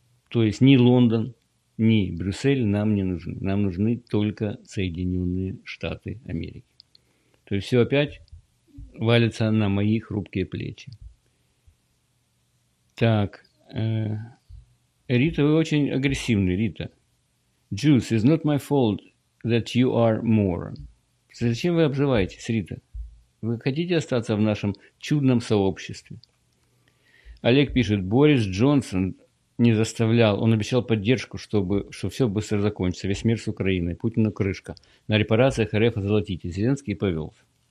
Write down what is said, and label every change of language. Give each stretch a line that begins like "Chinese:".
Russian: То есть ни Лондон, ни Брюссель нам не нужны. Нам нужны только Соединенные Штаты Америки. То есть все опять валится на мои хрупкие плечи. Так, Рита, вы очень агрессивны, Рита.
English: Jews, it's not my fault that you are moron.
Russian: Зачем вы обзываетесь, Рита? Вы хотите остаться в нашем чудном сообществе? Олег пишет, Борис Джонсон не заставлял, он обещал поддержку, чтобы, что все быстро закончится, весь мир с Украиной, Путину крышка, на репарациях РФ озолотите, Зеленский повелся.